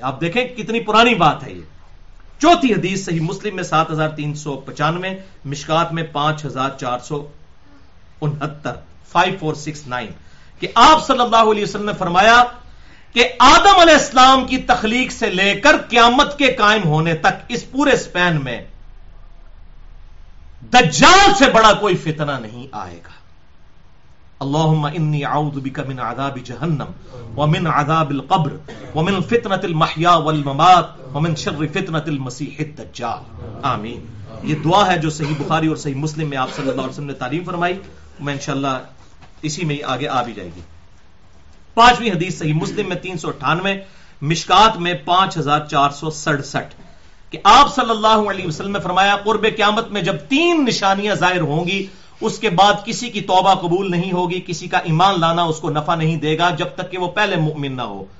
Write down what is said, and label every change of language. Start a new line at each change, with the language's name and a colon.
Urdu: آپ دیکھیں کتنی پرانی بات ہے یہ. چوتھی حدیث صحیح مسلم میں 7,395, مشکات میں 5,469 کہ آپ صلی اللہ علیہ وسلم نے فرمایا کہ آدم علیہ السلام کی تخلیق سے لے کر قیامت کے قائم ہونے تک اس پورے سپین میں دجال سے بڑا کوئی فتنہ نہیں آئے گا.
Arabic: اللہم انی اعوذ بک من عذاب جہنم ومن عذاب القبر ومن فتنة المحیا والممات ومن شر فتنة المسیح الدجال.
Urdu: آمین. یہ دعا ہے جو صحیح بخاری اور صحیح مسلم میں آپ صلی اللہ علیہ وسلم نے تعلیم فرمائی, میں انشاءاللہ اسی میں ہی آگے آ بھی جائے گی. پانچویں حدیث صحیح مسلم میں 398, مشکات میں 5,467 کہ آپ صلی اللہ علیہ وسلم نے فرمایا قرب قیامت میں جب تین نشانیاں ظاہر ہوں گی اس کے بعد کسی کی توبہ قبول نہیں ہوگی, کسی کا ایمان لانا اس کو نفع نہیں دے گا جب تک کہ وہ پہلے مؤمن نہ ہو.